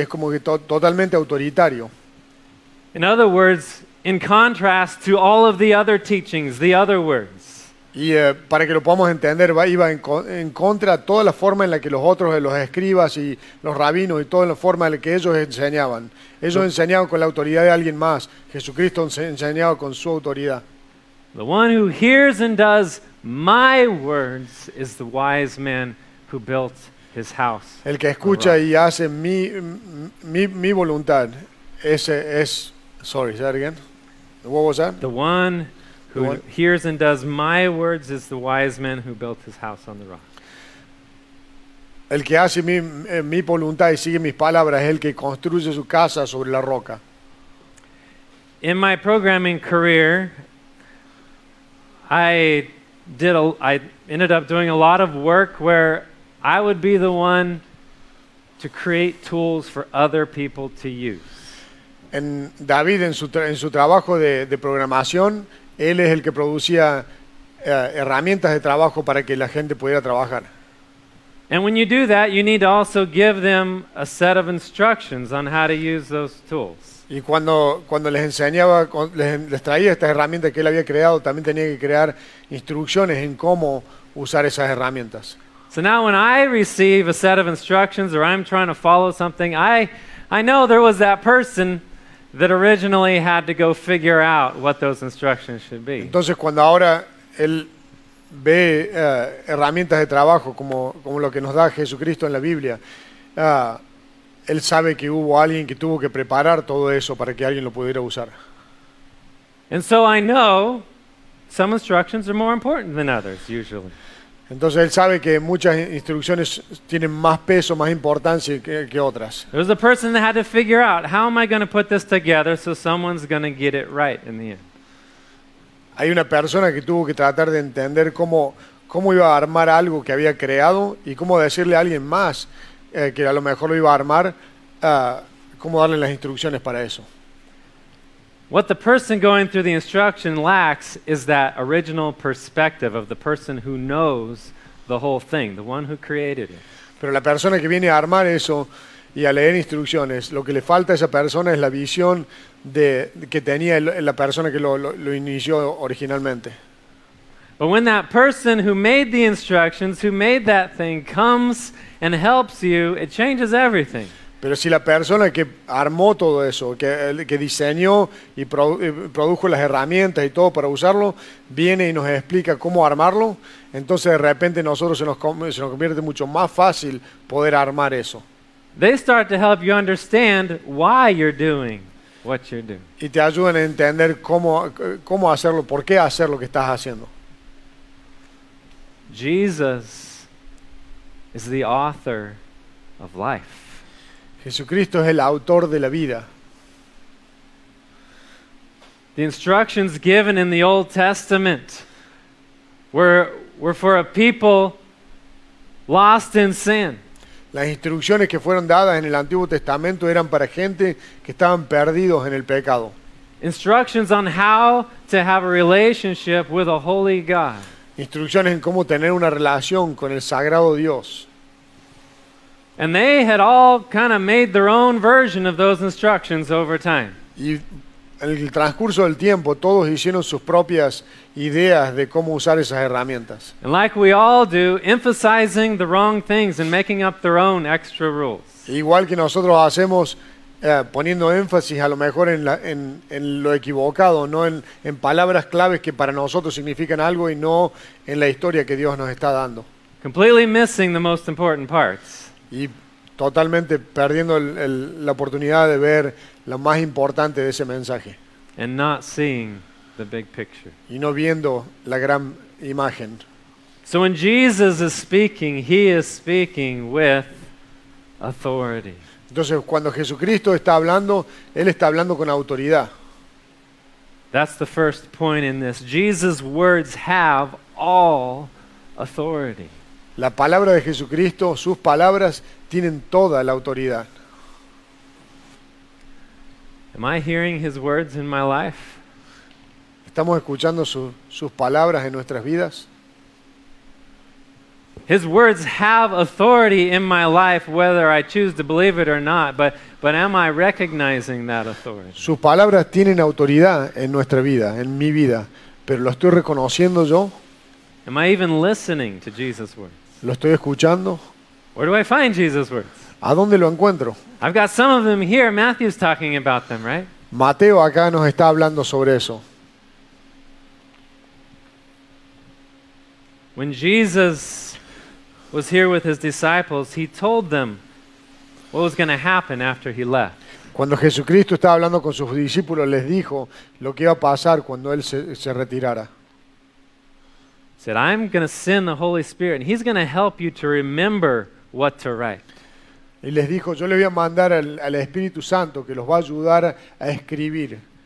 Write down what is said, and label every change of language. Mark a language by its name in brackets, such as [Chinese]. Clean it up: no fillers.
[Spanish] Es como que totalmente autoritario. [English] In other words, in contrast to all of the other teachings, the other words. [Spanish] Y para que lo podamos entender, iba en contra de toda la forma en la que los otros, los escribas y los rabinos y toda la forma en la que ellos enseñaban. Ellos enseñaban con la autoridad de alguien más. Jesucristo enseñaba con su autoridad. [English] The one who hears and does my words is the wise man who built his house. [Spanish] El que escucha y hace mi voluntad, ese es, [English] sorry, say that again. What was that? The one who hears and does my words is the wise man who built his house on the rock. [Spanish] El que hace mi voluntad y sigue mis palabras es el que construye su casa sobre la roca. [English] In my programming career, I ended up doing a lot of work where I would be the one to create tools for other people to use. [Spanish] En David en su trabajo de programación, él es el que producía herramientas de trabajo para que la gente pudiera trabajar. [English] And when you do that, you need to also give them a set of instructions on how to use those tools. [Spanish] Y cuando les enseñaba, les traía estas herramientas que él había creado, también tenía que crear instrucciones en cómo usar esas herramientas. [English] So now when I receive a set of instructions or I'm trying to follow something, I know there was that person that originally had to go figure out what those instructions should be. [Spanish] Entonces, cuando ahora él ve herramientas de trabajo como lo que nos da Jesucristo en la Biblia, él sabe que hubo alguien que tuvo que preparar todo eso para que alguien lo pudiera usar. [English] And so I know some instructions are more important than others, usually. [Spanish] Entonces él sabe que muchas instrucciones tienen más peso, más importancia que otras. [English] There was a person that had to figure out, how am I going to put this together so someone's going to get it right in the end. [Spanish] Hay una persona que tuvo que tratar de entender cómo iba a armar algo que había creado y cómo decirle a alguien más que a lo mejor lo iba a armar, cómo darle las instrucciones para eso. [English] What the person going through the instruction lacks is that original perspective of the person who knows the whole thing, the one who created it. [Spanish] Pero la persona que viene a armar eso y a leer instrucciones, lo que le falta a esa persona es la visión que tenía la persona que lo inició originalmente. [English] But when that person who made the instructions, who made that thing, comes and helps you, it changes everything. [Spanish] Pero si la persona que armó todo eso, que diseñó y produjo las herramientas y todo para usarlo, viene y nos explica cómo armarlo, entonces de repente nosotros se nos convierte mucho más fácil poder armar eso. [English] They start to help you understand why you're doing what you're doing. [Spanish] Y te ayudan a entender cómo hacerlo, por qué hacer lo que estás haciendo. [English] Jesus is the author of life. [Spanish] Jesucristo es el autor de la vida. [English] The instructions given in the Old Testament were for a people lost in sin. [Spanish] Las instrucciones que fueron dadas en el Antiguo Testamento eran para gente que estaban perdidos en el pecado. [English] Instructions on how to have a relationship with a holy God. [Spanish] Instrucciones en cómo tener una relación con el sagrado Dios. [English] And they had all kind of made their own version of those instructions over time. [Spanish] Y en el transcurso del tiempo todos hicieron sus propias ideas de cómo usar esas herramientas. [English] And like we all do, emphasizing the wrong things and making up their own extra rules. [Spanish] Igual que nosotros hacemos poniendo énfasis a lo mejor en lo equivocado, no en palabras claves que para nosotros significan algo y no en la historia que Dios nos está dando. [English] Completely missing the most important parts. [Spanish] Y totalmente perdiendo la oportunidad de ver lo más importante de ese mensaje. [English] And not seeing the big picture. [Spanish] Y no viendo la gran imagen. [English] So when Jesus is speaking, he is speaking with authority. [Spanish] Entonces, cuando Jesucristo está hablando, él está hablando con autoridad. [English] That's the first point in this. Jesus' words have all authority. [Spanish] La palabra de Jesucristo, sus palabras tienen toda la autoridad. [English] Am I hearing his words in my life? [Spanish] ¿Estamos escuchando sus palabras en nuestras vidas? [English] His words have authority in my life whether I choose to believe it or not, but am I recognizing that authority? [Spanish] Sus palabras tienen autoridad en nuestra vida, en mi vida, pero ¿lo estoy reconociendo yo? [English] Am I even listening to Jesus' words? [Spanish] ¿Lo estoy escuchando? [English] Where do I find Jesus' words? [Spanish] ¿A dónde lo encuentro? [English] I've got some of them here. Matthew's talking about them, right? [Spanish] Mateo acá nos está hablando sobre eso. [English] When Jesus was here with his disciples, he told them what was going to happen after he left. [Spanish] Cuando Jesucristo estaba hablando con sus discípulos, les dijo lo que iba a pasar cuando él se retirara. [English] He said, I'm going to send the Holy Spirit, and he's going to help you to remember what to write. [Spanish] Y les dijo, yo le voy a mandar al Espíritu Santo que los va a ayudar a escribir.